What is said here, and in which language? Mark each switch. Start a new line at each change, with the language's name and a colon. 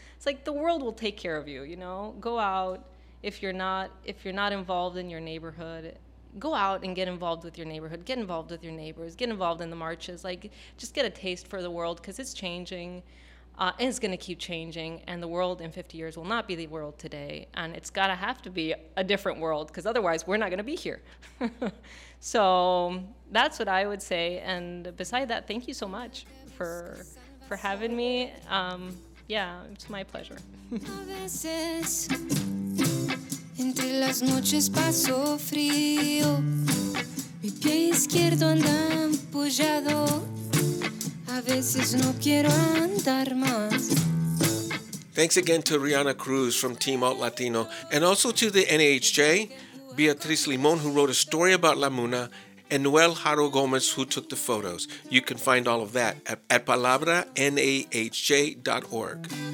English: It's the world will take care of you, you know? Go out. If you're not involved in your neighborhood, go out and get involved with your neighborhood, get involved with your neighbors, get involved in the marches, just get a taste for the world, because it's changing, and it's gonna keep changing, and the world in 50 years will not be the world today, and it's gotta have to be a different world, because otherwise we're not gonna be here. So that's what I would say. And beside that, thank you so much for having me. Yeah, it's my pleasure.
Spanish: A veces, entre las noches paso frío. Mi pie izquierdo anda empujado. A veces no quiero andar más.
English: Thanks again to Rihanna Cruz from Team Alt Latino, and also to the NAHJ, Beatriz Limon, who wrote a story about La Muna, and Noel Haro Gomez, who took the photos. You can find all of that at palabranahj.org.